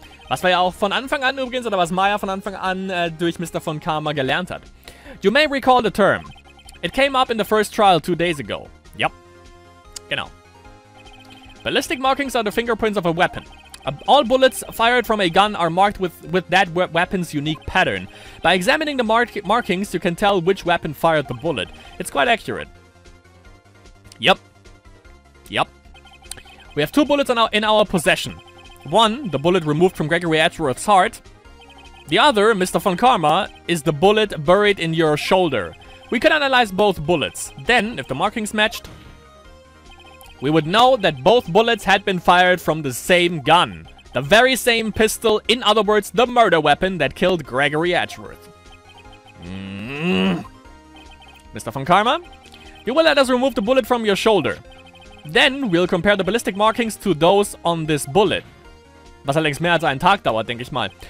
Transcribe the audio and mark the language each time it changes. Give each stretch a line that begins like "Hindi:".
German: Was wir ja auch von Anfang an übrigens, oder was Maya von Anfang an durch Mr.
English: von Karma
German: gelernt hat.
English: You may recall the term. It came up in the first trial 2 days ago. Yup.
German: Genau.
English: Ballistic markings are the fingerprints of a weapon. All bullets fired from a gun are marked with that weapon's unique pattern. By examining the markings, you can tell which weapon fired the bullet. It's quite accurate. Yup. We have two bullets in our possession. One, the bullet removed from Gregory Edgeworth's heart. The other, Mr. von Karma, is the bullet buried in your shoulder. We could analyze both bullets. Then, if the markings matched, we would know that both bullets had been fired from the same gun. The very same pistol, in other words, the murder weapon that killed Gregory Edgeworth. Mr. von Karma, you will let us remove the bullet from your shoulder. Then, we'll compare the ballistic markings to those on this bullet.
German: Was allerdings mehr als einen Tag dauert, denke ich mal.